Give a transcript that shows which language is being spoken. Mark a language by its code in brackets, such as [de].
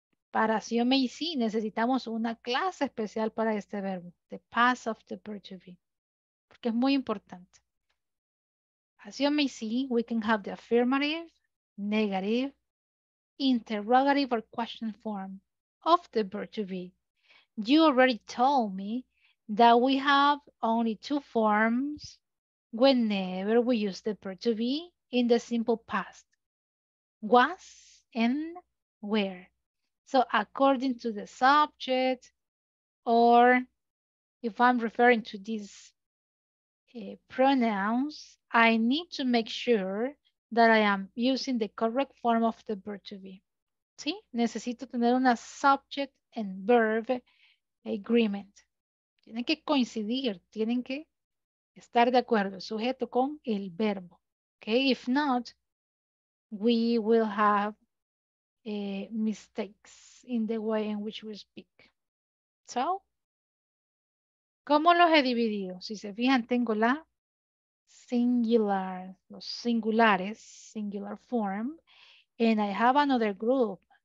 [es] Para si yo me hice, necesitamos una clase especial para este verbo. [en] The past of the verb to be. [es] Porque es muy importante. [en] As you may see, we can have the affirmative, negative, interrogative or question form of the verb to be. You already told me that we have only two forms whenever we use the verb to be. In the simple past, was and where. So according to the subject, or if I'm referring to these pronouns, I need to make sure that I am using the correct form of the verb to be. [es] ¿Sí? Necesito tener una [en] subject and verb agreement. [es] Tienen que coincidir, tienen que estar de acuerdo, sujeto con el verbo. [en] Okay, if not, we will have mistakes in the way in which we speak. [es] So, ¿cómo los he dividido? Si se fijan, tengo la singular, los singulares, [en] singular form, and I have another group.